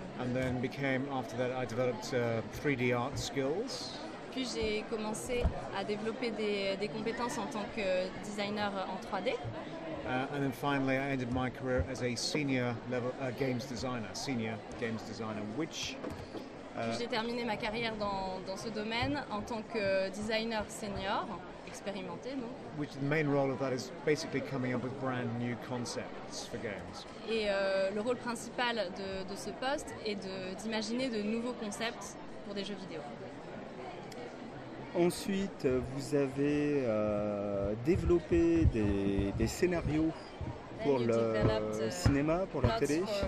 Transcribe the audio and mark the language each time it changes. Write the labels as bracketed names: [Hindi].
[English] And then became after that I developed 3D art skills. [French] Puis j'ai commencé à développer des compétences en tant que designer en 3D. [English] And then finally I ended my career as a senior level games designer, senior games designer, which [French] J'ai terminé ma carrière dans ce domaine en tant que designer senior, expérimenté, non? [English] Which the main role of that is basically coming up with brand new concepts for games. [French] Et le rôle principal de ce poste est d'imaginer de nouveaux concepts pour des jeux vidéo. Ensuite, vous avez développé des scénarios pour le cinéma, pour la télé.